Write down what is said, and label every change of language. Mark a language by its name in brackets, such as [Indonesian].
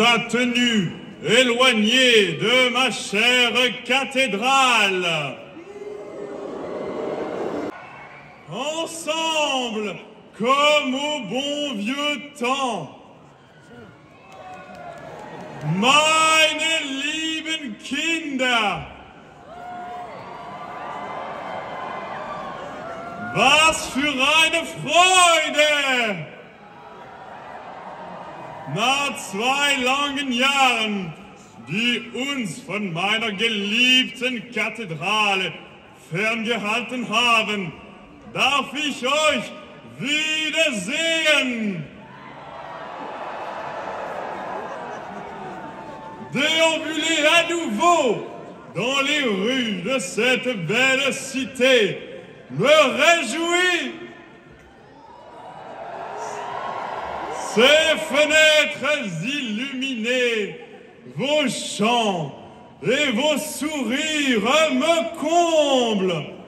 [French] Tenu éloigné de ma chère cathédrale. Ensemble, comme au bon vieux temps, [German] meine lieben Kinder, was für eine Freude! Nach zwei langen Jahren, die uns von meiner geliebten Kathedrale ferngehalten haben, darf ich euch wiedersehen. [French] Déambuler à nouveau dans les rues de cette belle cité me réjouit. Ces fenêtres illuminées, vos chants et vos sourires me comblent.